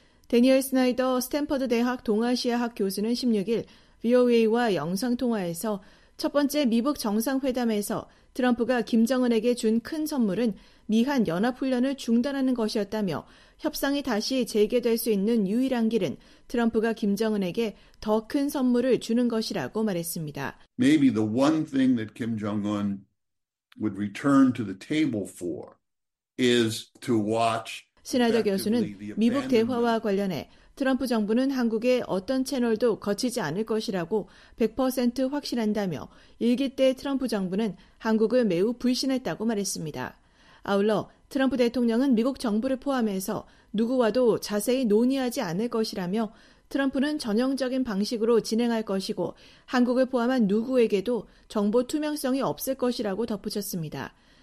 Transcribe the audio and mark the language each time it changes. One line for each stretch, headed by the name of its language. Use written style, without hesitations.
Korean: 대니얼 스나이더 스탠퍼드 대학 동아시아학 교수는 16일 VOA와 영상통화에서 첫 번째 미북 정상회담에서 트럼프가 김정은에게 준 큰 선물은 미한 연합훈련을 중단하는 것이었다며 협상이 다시 재개될 수 있는 유일한 길은 트럼프가 김정은에게 더 큰 선물을 주는 것이라고 말했습니다.
English: Maybe the one thing that Kim Jong-un would return to the table for is to watch.
Korean: 스나이더 교수는 미북 대화와 관련해 트럼프 정부는 한국의 어떤 채널도 거치지 않을 것이라고 100% 확신한다며 일기 때 트럼프 정부는 한국을 매우 불신했다고 말했습니다. 아울러 트럼프 대통령은 미국 정부를 포함해서 누구와도 자세히 논의하지 않을 것이라며 트럼프는 전형적인 방식으로 진행할 것이고 한국을 포함한 누구에게도 정보 투명성이 없을 것이라고 덧붙였습니다.